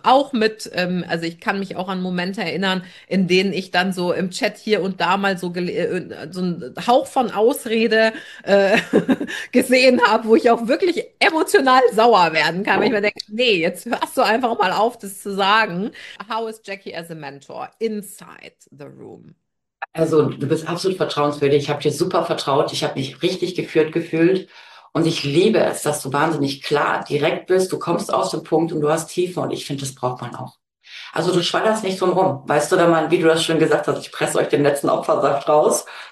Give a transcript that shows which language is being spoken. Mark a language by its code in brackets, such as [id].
[de] Auch mit, also ich kann mich auch an Momente erinnern, in denen ich dann so im Chat hier und da mal so einen Hauch von Ausrede gesehen habe, wo ich auch wirklich emotional sauer werden kann, wenn ich mir denke, nee, jetzt hörst du einfach mal auf, das zu sagen. [en] How is Jackie as a mentor inside the room? [de] Also, du bist absolut vertrauenswürdig. Ich habe dir super vertraut. Ich habe mich richtig geführt gefühlt. Und ich liebe es, dass du wahnsinnig klar, direkt bist. Du kommst aus dem Punkt und du hast Tiefe. Und ich finde, das braucht man auch. Also du schwadderst nicht drum rum. Weißt du, wenn man, wie du das schon gesagt hast, ich presse euch den letzten Opfersaft raus.